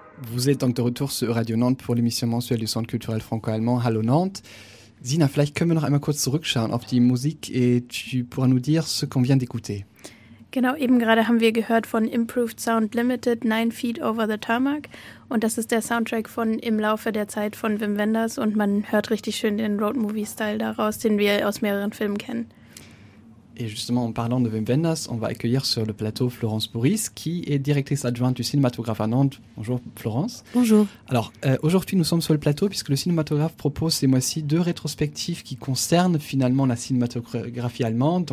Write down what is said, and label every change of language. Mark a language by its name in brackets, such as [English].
[French] Vous êtes donc de retour sur Euradio Nantes pour l'émission mensuelle du Centre culturel franco-allemand Allô Nantes. [German] Zina, vielleicht können wir noch einmal kurz zurückschauen auf die Musik [French] et tu pourras nous dire ce qu'on vient d'écouter. [German] Genau, eben gerade haben wir gehört von Improved Sound Limited, 9 Feet Over the Tarmac. Und das ist der Soundtrack von Im Laufe der Zeit von Wim Wenders. Und man hört richtig schön den Roadmovie-Style daraus, den wir aus mehreren Filmen kennen. [French] Et justement, en parlant de Wim Wenders, on va accueillir sur le plateau Florence Bouris, qui est directrice adjointe du cinématographe à Nantes. Bonjour Florence. Bonjour. Alors, aujourd'hui, nous sommes sur le plateau puisque le cinématographe propose ces mois-ci deux rétrospectives qui concernent finalement la cinématographie allemande.